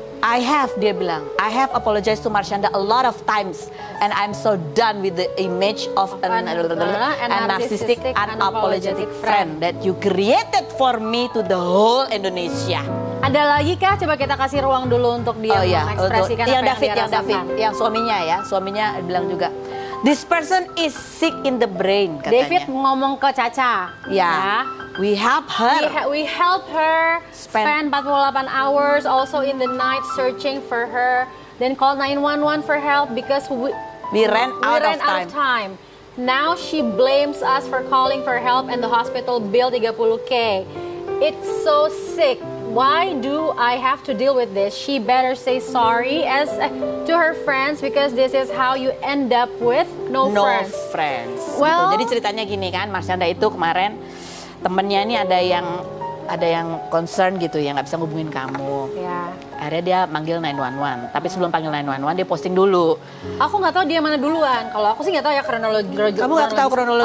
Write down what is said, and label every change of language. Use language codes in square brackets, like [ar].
[en] I have apologized to Marsyanda a lot of times and I'm so done with the image of a narcissistic unapologetic friend that you created for me to the whole Indonesia. [id] Ada lagi kah? Coba kita kasih ruang dulu untuk dia mengekspresikan apa yang David, yang suaminya ya. Suaminya bilang juga, [en] this person is sick in the brain [id] katanya. David ngomong ke Caca. [en] Ya. Yeah. We help her. We help her spend 48 hours also in the night searching for her. Then call 911 for help because we ran out of time. Now she blames us for calling for help and the hospital bill 30K. It's so sick. Why do I have to deal with this? She better say sorry as to her friends because this is how you end up with no friends. [id] Well, jadi ceritanya gini kan, Marsyanda itu kemarin temennya ini ada yang concern gitu ya, gak bisa ngubungin kamu. [en] Yeah. [id] Akhirnya dia manggil 911, tapi sebelum panggil 911 dia posting dulu. Aku gak tahu dia mana duluan, kalau aku sih gak tahu ya kronologi. Kamu gak tahu kronologinya?